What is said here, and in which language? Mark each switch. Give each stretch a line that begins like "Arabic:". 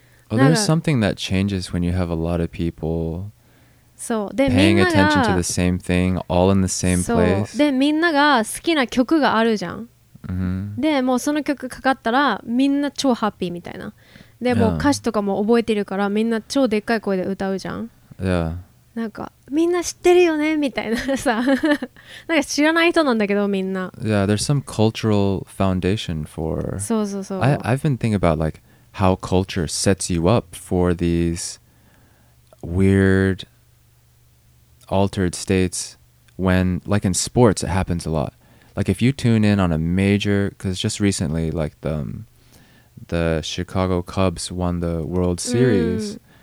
English: Oh, there's something that changes when you have a lot of people.
Japanese: そうで、
English: paying attention to the same thing, all in the same place.
Japanese: で、みんなが好きな曲があるじゃん。で、もうその曲かかったら、みんな超ハッピーみたいな。で、もう歌詞とかも覚えてるから、みんな超でっかい声で歌うじゃん。なんか、みんな知ってるよねみたいなさ。なんか知らない人なんだけど、みんな。
English: Yeah, there's some cultural foundation for...
Japanese: そうそうそう。
English: I've been thinking about like how culture sets you up for these weird... altered states when like in sports it happens a lot like if you tune in on a major because just recently like the Chicago Cubs won the World Series